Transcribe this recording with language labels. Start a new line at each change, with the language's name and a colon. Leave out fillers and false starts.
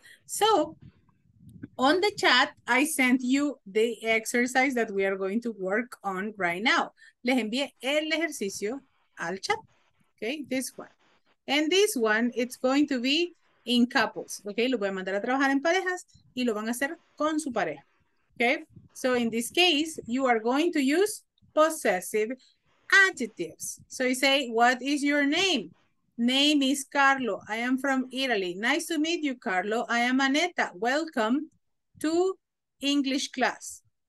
English: So, on the chat, I sent you the exercise that we are going to work on right now.
Spanish: Les envié el ejercicio al chat, okay?
English: This one. And this one, it's going to be in couples, okay?
Spanish: Lo voy a mandar a trabajar en parejas y lo van a hacer con su pareja, okay?
English: So in this case, you are going to use possessive adjectives. So you say, what is your name? Name is Carlo. I am from Italy. Nice to meet you, Carlo. I am Aneta. Welcome to English class.